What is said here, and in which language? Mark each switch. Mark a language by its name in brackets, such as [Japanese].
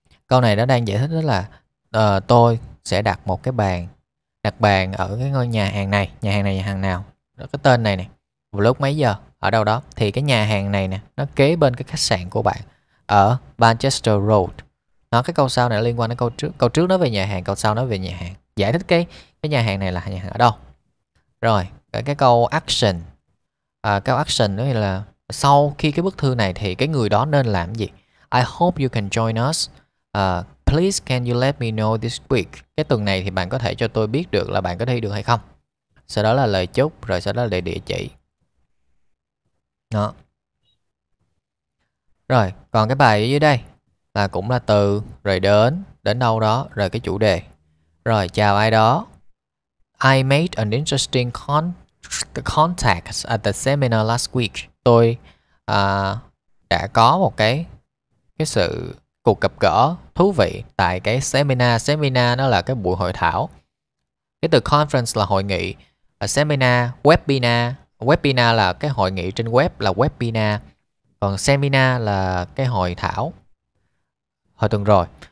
[Vietnamese] Câu này nó đang giải thích đó là tôi sẽ đặt một cái bàn, đặt bàn ở cái ngôi nhà hàng này, nhà hàng này, nhà hàng nào, cái tên này này, một lúc mấy giờ ở đâu đó, thì cái nhà hàng này nè nó kế bên cái khách sạn của bạn ở Manchester Road. Nó cái câu sau này nó liên quan đến câu trước nó về nhà hàng, câu sau nó về nhà hàng, giải thích cái nhà hàng này là nhà hàng ở đâu. Rồi cái câu action, câu action đó là sau khi cái bức thư này thì cái người đó nên làm gì? [English] I hope you can join us. Please can you let me know this week? [Vietnamese] Cái tuần này thì bạn có thể cho tôi biết được là bạn có đi được hay không? Sau đó là lời chúc, rồi sau đó là địa chỉ. Đó. Rồi, còn cái bài ở dưới đây là cũng là từ, rồi đến, đến đâu đó, rồi cái chủ đề. Rồi, chào ai đó. [English] I made an interesting contact at the seminar last week. [Vietnamese] Tôi đã có một cái sự cuộc gặp gỡ thú vị tại cái seminar. Seminar nó là cái buổi hội thảo. Cái từ conference là hội nghị, seminar, webinar. Webinar là cái hội nghị trên web là webinar. Còn seminar là cái hội thảo. Hồi tuần rồi.